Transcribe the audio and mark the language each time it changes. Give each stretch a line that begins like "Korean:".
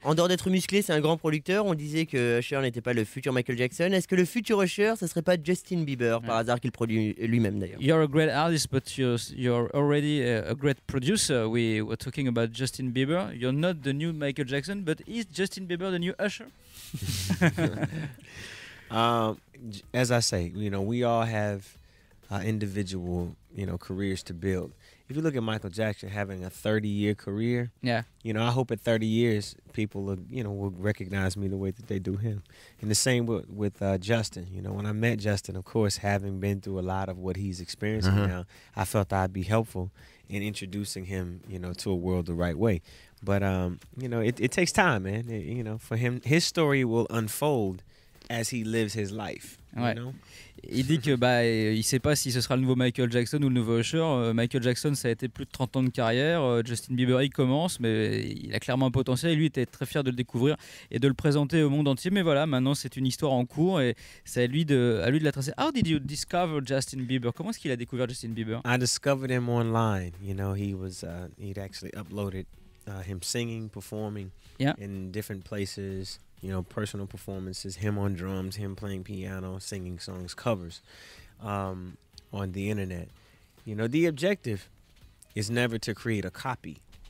French: En dehors d'être musclé, c'est un grand producteur. On disait que Usher n'était pas le futur Michael Jackson. Est-ce que le futur Usher, ça serait pas Justin Bieber, ouais, par hasard, qu'il produit lui-même d'ailleurs?
English: You're a great artist, but you're already a great producer. We were talking about Justin Bieber. You're not the new Michael Jackson, but is Justin Bieber the new Usher? As I say, you know, we all have individual, you know, careers to build. If you look at Michael Jackson having a 30-year career, yeah, you know, I hope at 30 years people look, you know, will recognize me the way that they do him. And the same with Justin. You know, when I met Justin, of course, having been through a lot of what he's experiencing now, I felt I'd be helpful in introducing him, you know, to a world the right way. But, you know, it takes time, man. It, you know, for him, his story will unfold as he lives his life.
French: Ouais.
English: You know?
French: Il dit que bah il sait pas si ce sera le nouveau Michael Jackson ou le nouveau Usher. Michael Jackson, ça a été plus de 30 ans de carrière. Justin Bieber, il commence, mais il a clairement un potentiel. Lui, était très fier de le découvrir et de le présenter au monde entier. Mais voilà, maintenant c'est une histoire en cours et c'est à lui de la tracer.
English: How did you discover Justin Bieber?
French: Comment est-ce qu'il a découvert Justin Bieber?
English: I discovered him online. You know, he'd actually uploaded him singing, performing in different places. You know, personal performances, him on drums, him playing piano, singing songs, covers on the internet. You know, the objective is never to create a copy.